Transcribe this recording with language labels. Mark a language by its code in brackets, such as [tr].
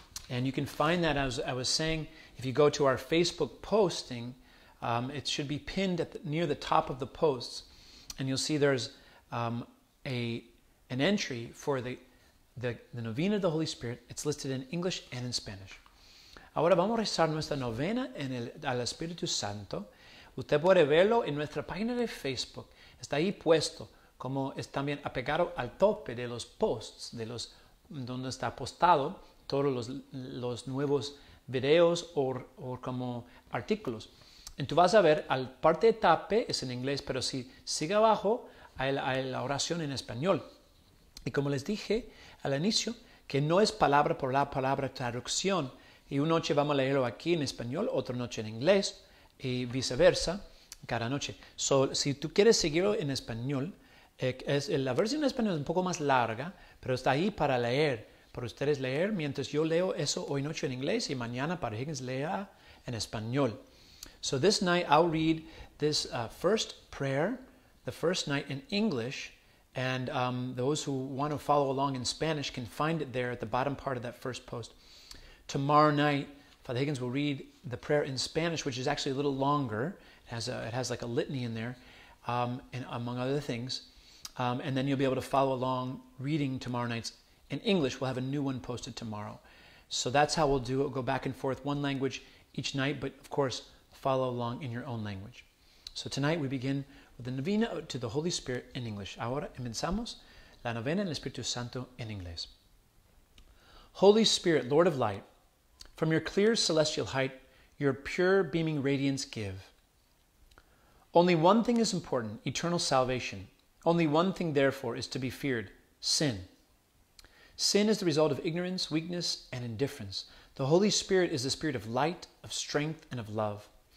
[en] And you can find that, as I was saying, if you go to our Facebook posting, it should be pinned near the top of the posts, and you'll see there's an entry for the novena of the Holy Spirit. It's listed in English and in Spanish. [es] Ahora vamos a rezar nuestra novena al Espíritu Santo. Usted puede verlo en nuestra página de Facebook. Está ahí puesto, como es también apegado al tope de los posts, de los donde está postado todos los nuevos videos o como artículos. Y tú vas a ver, al parte de tape es en inglés, pero si sigue abajo, hay la oración en español. Y como les dije al inicio, que no es palabra por la palabra traducción. Y una noche vamos a leerlo aquí en español, otra noche en inglés, y viceversa, cada noche. So, si tú quieres seguirlo en español, la versión en español es un poco más larga, pero está ahí para leer, para ustedes leer, mientras yo leo eso hoy noche en inglés y mañana para Higgins lea en español. [en] So this night I'll read this first prayer, the first night in English, and those who want to follow along in Spanish can find it there at the bottom part of that first post. Tomorrow night Father Higgins will read the prayer in Spanish, which is actually a little longer. It has like a litany in there, and among other things. And then you'll be able to follow along reading tomorrow night's in English. We'll have a new one posted tomorrow. So that's how we'll do it. We'll go back and forth one language each night, but of course, follow along in your own language. So tonight we begin with the Novena to the Holy Spirit in English. [es] Ahora empezamos la Novena al Espíritu Santo en inglés. [en] Holy Spirit, Lord of Light, from your clear celestial height, your pure beaming radiance give. Only one thing is important, eternal salvation. Only one thing, therefore, is to be feared, sin. Sin is the result of ignorance, weakness, and indifference. The Holy Spirit is the spirit of light, of strength, and of love.